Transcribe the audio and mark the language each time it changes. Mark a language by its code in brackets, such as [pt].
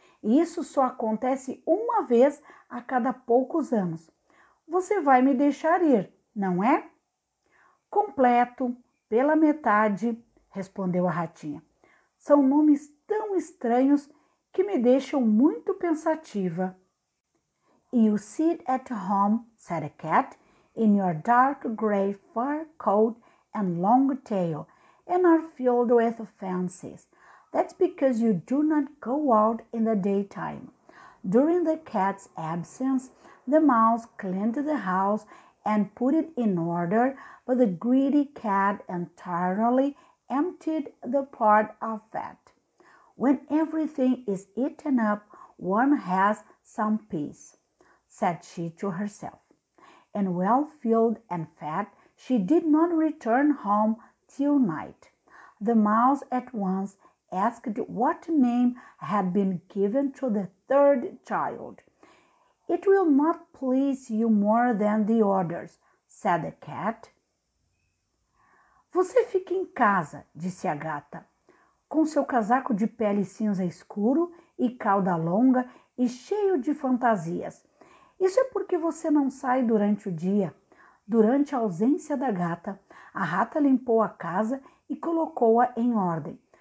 [pt] E isso só acontece uma vez a cada poucos anos. Você vai me deixar ir, não é?" "Completo, pela metade," respondeu a ratinha. "São nomes tão estranhos que me deixam muito pensativa." [en] "You sit at home," said a cat, in your dark gray fur coat and long tail and are filled with fancies. That's because you do not go out in the daytime. During the cat's absence, the mouse cleaned the house and put it in order, but the greedy cat entirely emptied the pot of fat. When everything is eaten up, one has some peace, said she to herself. And well filled and fat, she did not return home till night. The mouse at once asked what name had been given to the third child. It will not please you more than the others, said the cat. [pt] Você fica em casa, disse a gata, com seu casaco de pele cinza escuro e cauda longa e cheio de fantasias. Isso é porque você não sai durante o dia. Durante a ausência da gata, a rata limpou a casa e colocou-a em ordem.